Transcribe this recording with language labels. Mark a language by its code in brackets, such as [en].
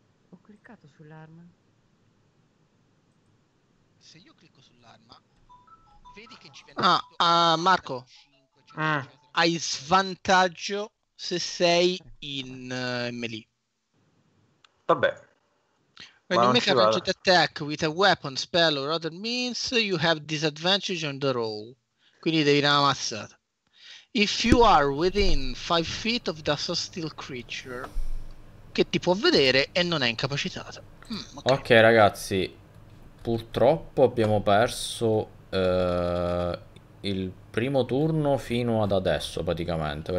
[it] Ho cliccato sull'arma. Se io clicco sull'arma, vedi che ci viene. Marco. 5, 5, hai svantaggio se sei in melee. Vabbè. [en] When you make a ranged attack with a weapon, spell or other means, you have disadvantage on the roll. [it] Quindi devi una ammazzata. [en] If you are within 5 feet of the hostile creature, [it] che ti può vedere e non è incapacitata. Okay, ragazzi. Purtroppo abbiamo perso il primo turno fino ad adesso, praticamente.